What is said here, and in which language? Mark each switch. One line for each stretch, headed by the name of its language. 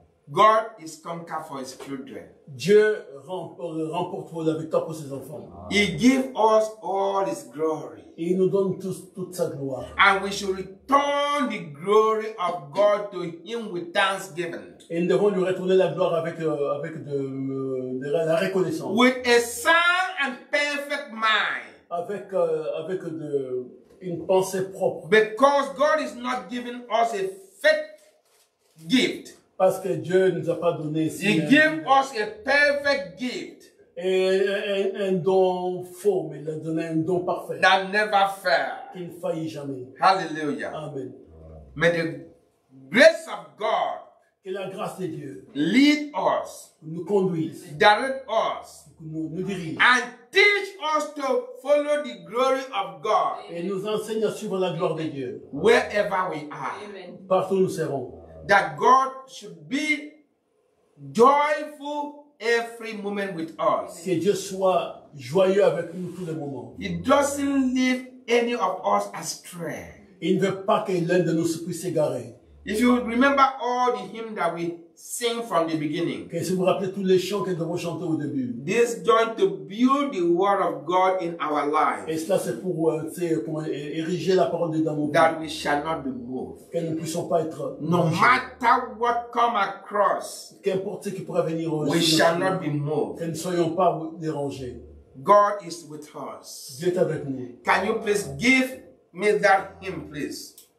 English: God is conquer for his children.
French: Dieu remporte la victoire pour ses enfants.
English: He give us all his glory.
French: Il nous donne toute sa gloire.
English: And we should return the glory of God to him with thanksgiving.
French: Et nous devons lui retourner la gloire avec la reconnaissance.
English: With a sound and perfect mind.
French: Avec une pensée propre.
English: Because God is not giving us a fake gift.
French: Parce que Dieu nous a pas donné.
English: He gave us a perfect gift.
French: un don faux, mais il a donné un don parfait.
English: That never fail.
French: Qu'il ne faillit jamais.
English: Hallelujah. Amen. May the grace of God.
French: Que la grâce de Dieu.
English: Lead us.
French: Nous conduise.
English: Direct us.
French: Nous dirige.
English: And teach us to follow the glory of God.
French: Et nous enseigne à suivre la gloire de Dieu.
English: Wherever we are. Amen.
French: Partout où nous serons.
English: That God should be joyful every moment with us.
French: Que Dieu soit joyeux avec nous tous les moments.
English: He doesn't leave any of us astray.
French: Il ne veut pas que l'un de nous puisse s'égarer.
English: If you remember all the hymns that we sing from the beginning.
French: Que vous rappelez tous les chants que nous avons chantés au début.
English: This is going to build the word of God in our lives.
French: Et cela c'est pour ériger la parole de Dieu dans nos vies.
English: That we shall not be moved.
French: Que nous ne puissions pas être.
English: No matter what come across.
French: Qu'importe ce qui pourrait venir au.
English: We shall not be moved.
French: Que nous ne soyons pas dérangés.
English: God is with us.
French: Dieu est avec nous.
English: Can you please give me that hymn, please?